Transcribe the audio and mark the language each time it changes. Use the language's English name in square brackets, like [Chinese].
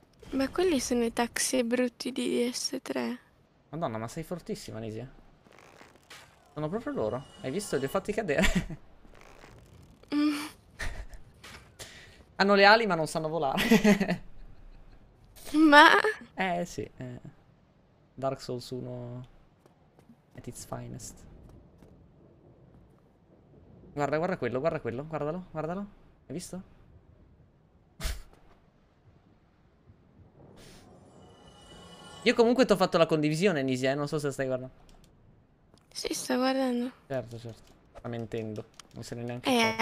[Italian] Ma quelli sono i taxi brutti di DS3. Madonna, ma sei fortissima, Nisia. Sono proprio loro. Hai visto? Li ho fatti cadere. Hanno le ali, ma non sanno volare. Eh sì, eh. [English] Dark Souls 1 at its finest. [Italian] Guarda, guarda quello, guarda quello, guardalo, guardalo. Hai visto? Io comunque ti ho fatto la condivisione, Nisia, non so se stai guardando. Sì, sto guardando. Certo. Sta mentendo, non se ne è neanche accorto.